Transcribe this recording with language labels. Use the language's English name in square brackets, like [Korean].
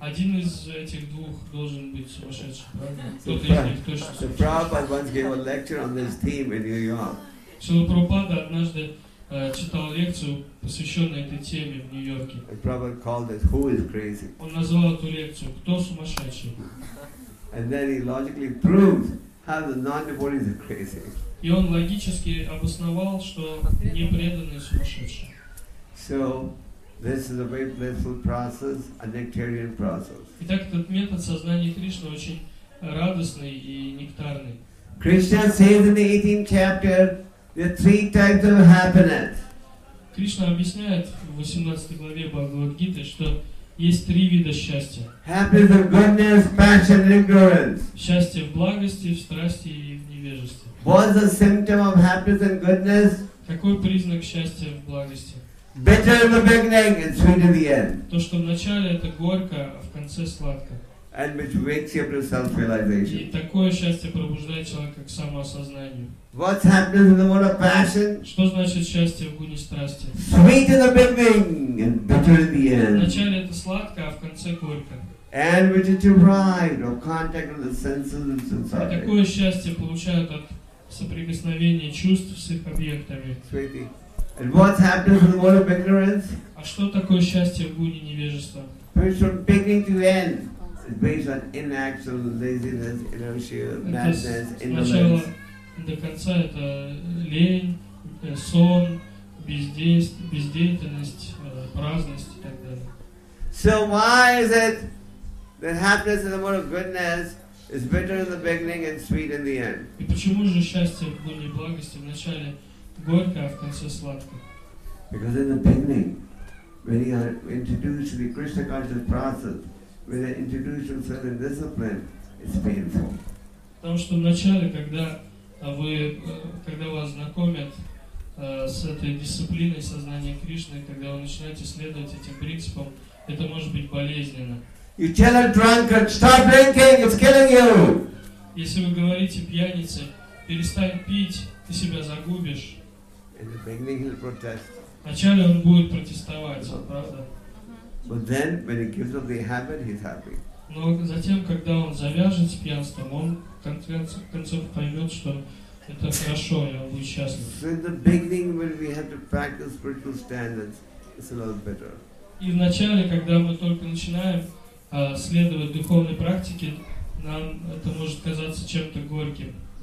[Russian] Один из этих двух должен быть сумасшедший. [English] So Prabhupada once gave a lecture on this theme in New York. [Russian] Шрила Прабхупада однажды читал лекцию, посвященную этой теме в Нью-Йорке. [English] And Prabhupada called it "Who is crazy?" [Russian] Он назвал эту лекцию "Кто сумасшедший?" [English] And then he logically proved how the non-devotees are crazy. [Russian] И он логически обосновал, что непреданные сумасшедшие. [English] So, this is a very blissful process, a nectarian process. [Russian] Итак, этот метод сознания Кришны очень радостный и нектарный. [English] Krishna says in the 18th chapter, there are three types of happiness. [Russian] Кришна объясняет в 18 главе Бхагавад-гиты, что есть три вида счастья. [English] Happiness of goodness, passion, and ignorance. [Russian] Счастье в благости, в страсти и в невежестве. [English] What is the symptom of happiness and goodness? [Russian] Какой признак счастья в благости? [English] Bitter in the beginning and sweet in the end. [Russian] То, что в начале это горько, а в конце сладко. [English] And which wakes you up to self-realization. [Russian] И такое счастье пробуждает человека к самоосознанию. [English] What's happiness in the mode of passion? [Russian] Что значит счастье в гуне страсти? [English] Sweet in the beginning and bitter in the end. [Russian] В начале это сладко, а в конце горько. [English] And which is derived or contact with the senses and sense objects. [Russian] Такое счастье получают от соприкосновения чувств с их объектами. [English] Sweetie. And what happens in the world of ignorance? [Russian] А что такое счастье в гуне невежества? [English] From beginning to end is based on inaction, laziness, inertia, madness, indolence. [Russian] До конца это лень, сон, бездеятельность, праздность и так далее. [English] So why is it that happiness in the world of goodness is bitter in the beginning and sweet in the end? [Russian] И почему же счастье в гуне благости в начале горько, а в конце сладко? [English] Because in the beginning, when you are introduced to the Krishna conscious process, when you are introduced to certain discipline, it's painful. [Russian] Потому что в начале, когда вас знакомят с этой дисциплиной сознания Кришны, когда вы начинаете следовать этим принципам, это может быть болезненно. [English] You tell a drunkard, stop drinking, it's killing you. [Russian] Если вы говорите пьянице, перестань пить, ты себя загубишь. [English] In the beginning he'll protest. [Russian] Вначале он будет протестовать, [English] no. [Russian] Правда? [English] But then, when he gives up the habit, he's happy. [Russian] Но затем, когда он завяжет с пьянством, он в конце концов поймет, что это хорошо, и он будет счастлив. [English] So in the beginning, when we have to practice spiritual standards, it's a little bitter. [Russian] И вначале, когда мы только начинаем следовать духовной практике, нам это может казаться чем-то горьким.